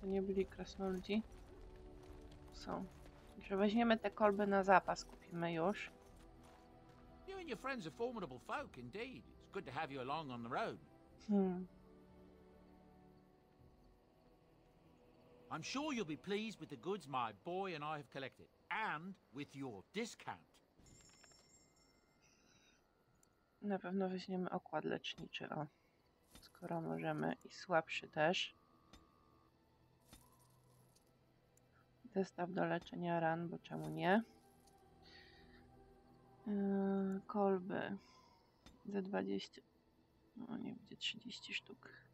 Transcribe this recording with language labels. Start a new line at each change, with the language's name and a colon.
Polish: To nie byli krasnoludzi. Są. Że weźmiemy te kolby na zapas, kupimy już.
English: You and your friends are formidable folk indeed. It's good to have you along on the road. I'm sure you'll be pleased with the goods my boy and I have collected, and with your discount.
Polish: Na pewno weźmiemy okład leczniczy, o, skoro możemy, i słabszy też. Zestaw do leczenia ran, bo czemu nie? Kolby za 20. No nie będzie 30 sztuk.